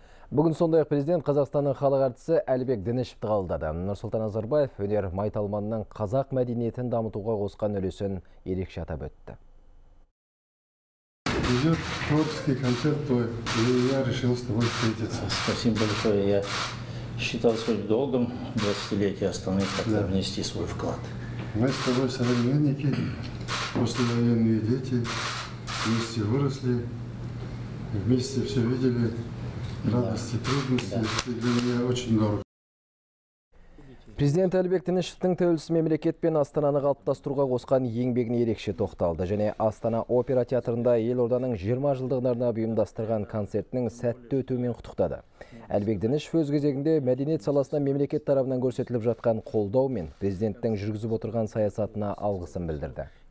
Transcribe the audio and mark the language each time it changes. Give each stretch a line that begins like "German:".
Kazakh: Бүгін сондай-ақ президент Қазақстанның халық әртісі Әлібек Дінішевті қабылдады. Нұрсұлтан Назарбаев өнер майталманының қазақ мәдениетін дамытуға қосқан үлесін ерекше атап өтті.
Russian: Идет творческий концерт твой, и я решил с тобой встретиться. Спасибо большое. Я считал своим долгом 20-летие Астаны как-то внести свой вклад. Мы с тобой современники, послевоенные дети, вместе выросли. вместе все видели, радости, трудности, для меня очень дорого.
Kazakh: Президент Алибек Тынышевтің тәуелсіз мемлекет пен Астананы қалыптастыруға қосқан еңбегіне ерекше тоқталды. Және Астана опера театрында елорданың 20 жылдығына арнап ұйымдастырған концертінің сәтті өтуімен құттықтады. Алибек Тынышев өз кезегінде мәдениет саласына мемлекет тарапынан көрсетіліп жатқан қолдау мен президенттің жүргізіп отырған саясатына алғысын білдірді.